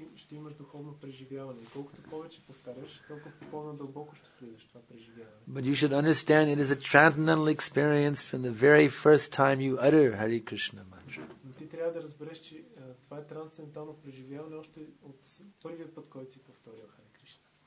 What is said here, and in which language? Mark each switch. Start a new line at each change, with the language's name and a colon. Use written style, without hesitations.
Bulgarian: ще имаш духовно преживяване. Колкото повече повтаряш, толкова по-дълбоко ще влизаш това преживяване.
English: But you should understand it is a transcendental experience from the very first time you utter Hare Krishna mantra.
Bulgarian: Но ти трябва да разбереш, че това е трансцендентално преживяване още от първия път, който си повторил Хари Кришна.